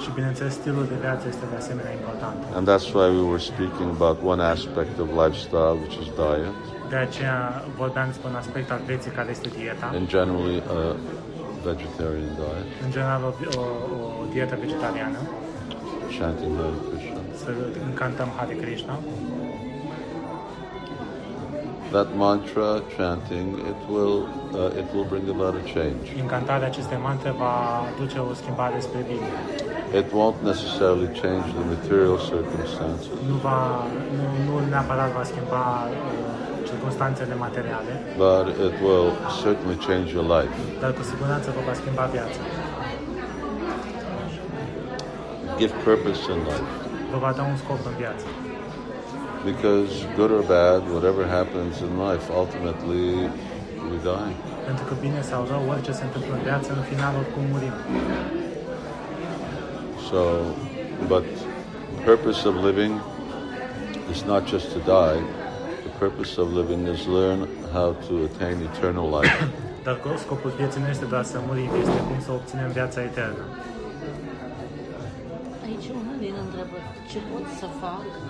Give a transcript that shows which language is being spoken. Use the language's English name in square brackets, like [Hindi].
[Romanian] Și bineînțeles, stilul de viață este de asemenea important. [English] And that's why we were speaking about one aspect of lifestyle, which is diet. [Romanian] De aceea vorbeam despre un aspect al vieții care este dieta. [English] And generally a vegetarian diet. [Romanian] În general o dietă vegetariană. [English] Chanting Hare Krishna. [Romanian] Să încântăm Hare Krishna. [English] That mantra chanting, it will bring about a change. [Romanian] Incantarea acestei mantre va duce o schimbare spre bine. [English] It won't necessarily change the material circumstances. [Romanian] Nu neapărat va schimba circumstanțele materiale. [English] But it will certainly change your life. [Romanian] Dar cu siguranță va schimba viața. [English] Give purpose in life. [Romanian] Va da un scop în viață. [English] Because good or bad, whatever happens in life, ultimately we die. [Romanian] Pentru că bine sau rău, orice se întâmplă în viață, în final oricum murim. [English] So, but the purpose of living is not just to die. The purpose of living is learn how to attain eternal life. [Romanian] Dar scopul vieții nu este doar să murim, este cum să obținem viața eternă. Aici una din întrebări, ce pot să fac?